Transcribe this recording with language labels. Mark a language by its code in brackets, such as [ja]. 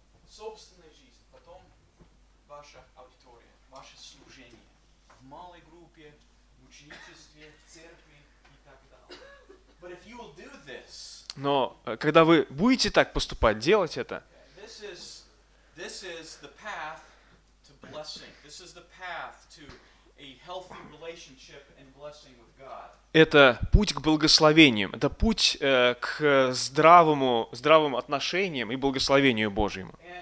[ru] Собственная жизнь, потом ваша аудитория, ваше служение в малой группе, в ученичестве, в церкви и так далее. [en] But if you will do this, [ru] но когда вы будете так поступать, делать это, [en] this is the path to blessing. This is the path to a healthy relationship and blessing with God. [ru] Это путь к благословениям, это путь к здравым отношениям и благословению Божьему.